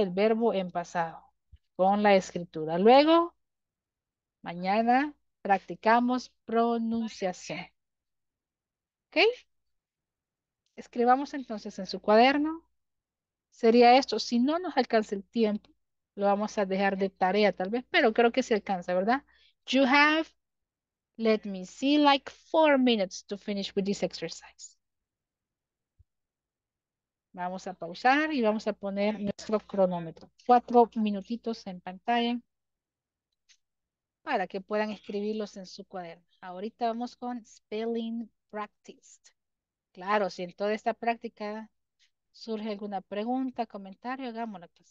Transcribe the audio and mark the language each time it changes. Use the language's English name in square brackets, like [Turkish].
[Spanish] El verbo en pasado con la escritura. Luego, mañana practicamos pronunciación. ¿Ok? Escribamos entonces en su cuaderno. Sería esto. Si no nos alcanza el tiempo, lo vamos a dejar de tarea tal vez, pero creo que se alcanza, ¿verdad? [English] You have, let me see, like 4 minutes to finish with this exercise. [Spanish] Vamos a pausar y vamos a poner nuestro cronómetro. 4 minutitos en pantalla para que puedan escribirlos en su cuaderno. Ahorita vamos con spelling practiced. Claro, si en toda esta práctica surge alguna pregunta, comentario, hagámosla.